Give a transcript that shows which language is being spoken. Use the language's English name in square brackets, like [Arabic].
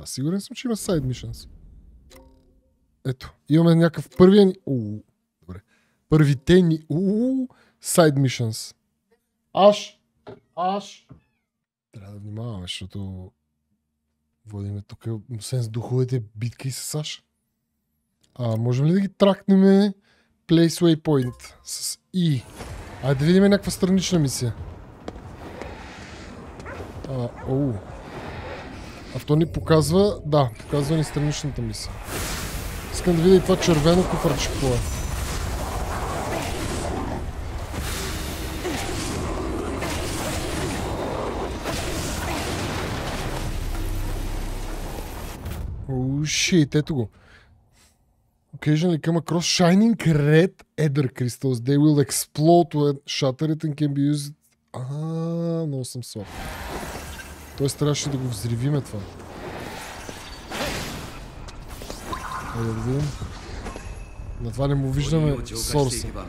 [Bulgarian] Да, сигурен съм, че има side missions. Ето, имаме някакъв първия ни... Добре. Първите ни... Side missions. Аш! Аш! Трябва да внимаваме, защото... Водиме тук, освен с духовете, битки и с Аш. А, можем ли да ги тракнеме? [English] Place waypoint с E. [Bulgarian] Айде да видим някаква странична мисия. Авто ни показва... Да, показва ни страничната мисия. Искам да видя и това червено куфърче какво е. Шит, ето го. [English] Occasionally come across shining red ether crystals. They will explode when shattered and can be used... [Bulgarian] много съм слаб. Тоест трябваше да го взривиме това. Айде да видим. На това не му виждаме сорса.